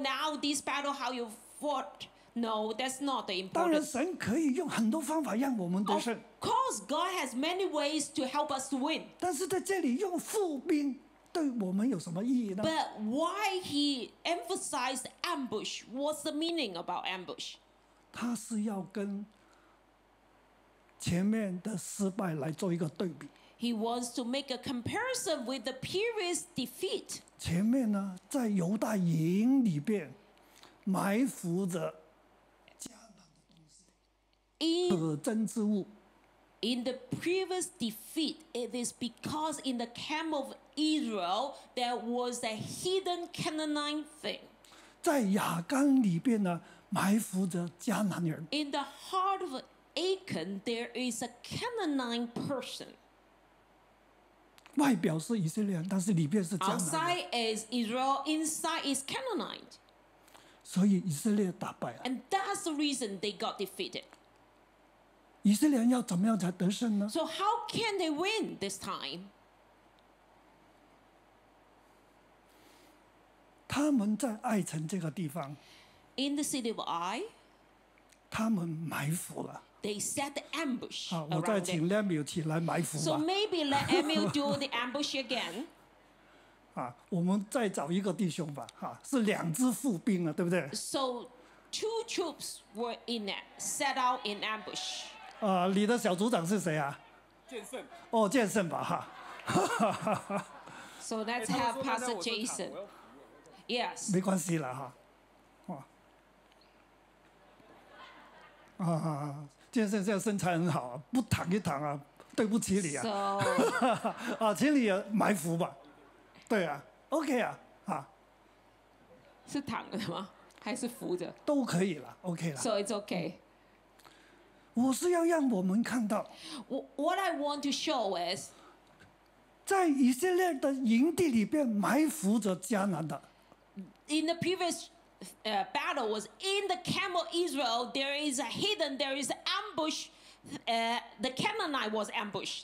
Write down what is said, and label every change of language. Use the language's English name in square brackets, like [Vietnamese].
[English] Now this battle, how you fought. No, that's not the important. [Chinese] 当然，神可以用很多方法让我们得胜。 [English] Of course, God has many ways to help us to win. [Chinese] 但是在这里用伏兵对我们有什么意义呢 [English] ？But why he emphasized ambush? What's the meaning about ambush? [Chinese] 他是要跟前面的失败来做一个对比。 [English] He wants to make a comparison with the previous defeat. [Chinese] 前面呢，在犹大营里边埋伏着迦南的东西，可憎之物。 [English] In the previous defeat, it is because in the camp of Israel there was a hidden Canaanite thing. [Chinese] 在亚干里边呢，埋伏着迦南人。 [English] In the heart of Achan, there is a Canaanite person. [Chinese] 外表是以色列人，但是里边是迦南人。 [English] Outside is Israel, inside is Canaanite. [Chinese] 所以以色列打败了。 [English] And that's the reason they got defeated. [Chinese] 以色列人要怎么样才得胜呢？ [English] So how can they win this time? [Chinese] 他们在爱城这个地方， [English] In the city of Ai, [Chinese] 他们埋伏了。 [English] They set the ambush. [Chinese] 好，我再请 Lemuel 起来埋伏吧。 [English] So maybe let Lemuel do the ambush again. [Chinese] 啊，我们再找一个弟兄吧。哈，是两支伏兵啊，对不对？ [English] So two troops were in it, set out in ambush. [Chinese] 你的小组长是谁啊？剑圣。哦，剑圣吧，哈。 [English] So let's have Pastor Jason. Yes. [Chinese] 没关系了哈。剑圣现在身材很好，不躺一躺啊，对不起你啊。 [English] So. [Chinese] 请你埋伏吧。对啊 ，OK 啊，哈。是躺的吗？还是扶着？都可以了 ，OK 了。 [English] So it's OK. [Chinese] 我是要让我们看到 [English] What I want to show is [Chinese] 在以色列的营地里边埋伏着迦南的 [English] In the previous battle was in the camp of Israel there is a hidden there is an ambush the Canaanite was ambushed